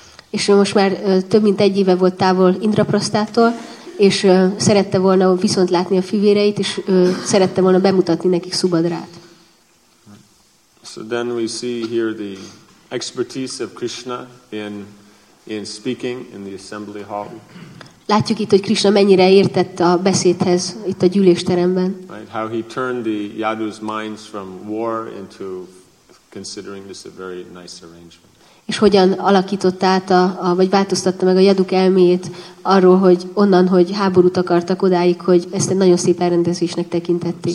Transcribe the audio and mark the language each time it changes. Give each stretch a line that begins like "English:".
Hungarian: És most már több mint egy éve volt távol Indraprasthától, és szerette volna viszont látni a fivéreit, és szerette volna bemutatni nekik Subhadrát.
English: So then we see here the expertise of Krishna in speaking in the assembly hall.
Hungarian: Látjuk itt, hogy Krishna mennyire értett a beszédhez itt a gyűlésteremben.
English: Right, how he turned the Yadus' minds from war into considering this a very nice arrangement.
Hungarian: És hogyan alakította át, vagy változtatta meg a Yaduk elméjét arról, hogy onnan, hogy háborút akartak odáig, hogy ezt egy nagyon szép elrendezésnek tekintették.